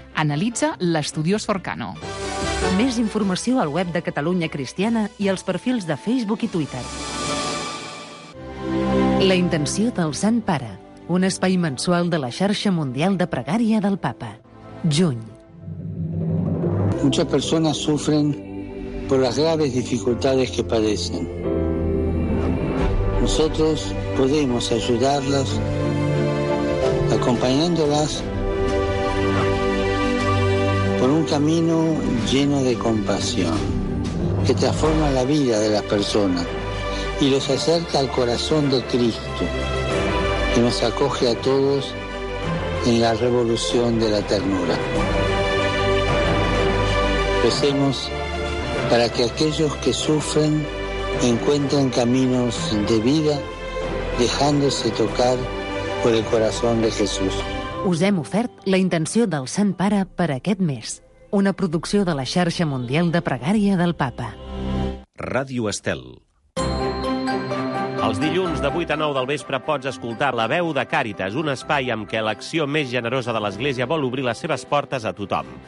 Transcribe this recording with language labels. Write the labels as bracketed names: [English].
[Catalan] Analitza l'estudiós Forcano. Més informació al web de Catalunya Cristiana i als perfils de Facebook i Twitter. La intenció del Sant Pare. Un espai mensual de la xarxa mundial de pregària del Papa. Juny. [Spanish] Muchas personas sufren por las graves dificultades que padecen. Nosotros podemos ayudarlas acompañándolas por un camino lleno de compasión que transforma la vida de las personas y los acerca al corazón de Cristo. Y nos acoge a todos en la revolución de la ternura. Recemos para que aquellos que sufren encuentren caminos de vida dejándose tocar por el corazón de Jesús. [Catalan] Us hem ofert la intenció del Sant Pare per aquest mes, una producció de la xarxa mundial de pregària del Papa. Ràdio Estel. Els dilluns de 8 a 9 del vespre pots escoltar La Veu de Càritas, un espai amb què l'acció més generosa de l'Església vol obrir les seves portes a tothom.